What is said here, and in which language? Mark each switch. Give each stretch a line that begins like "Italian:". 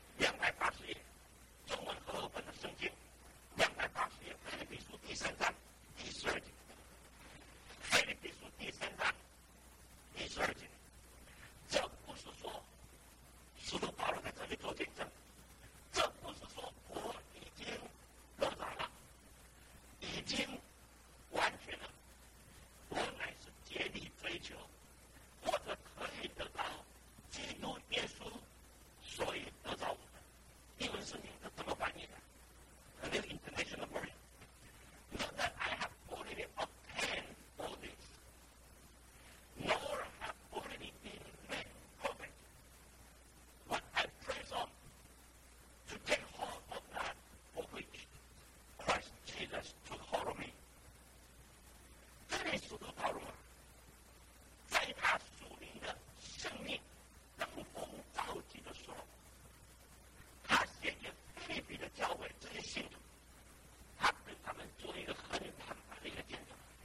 Chinese: ，280页，中文和合本的圣经，280页，《腓立比书》第三章第十二节，《腓立比书》第三章第十二节，这不是说使徒保罗在这里做见证，这不是说我已经得着了，已经完全了。我乃是竭力追求，或者可以得到基督耶稣，所以得着我们。英文圣经是怎么翻译的？那个
English: international word， not that I have already obtained all this， nor have already been made perfect， but I press on to take hold of that for which Christ Jesus took hold of me。
Chinese: 这里使徒保罗在他属灵的生命登峰造极的时候，他写给腓立比的教会这些信徒，他对他们做一个很坦白的一个见证。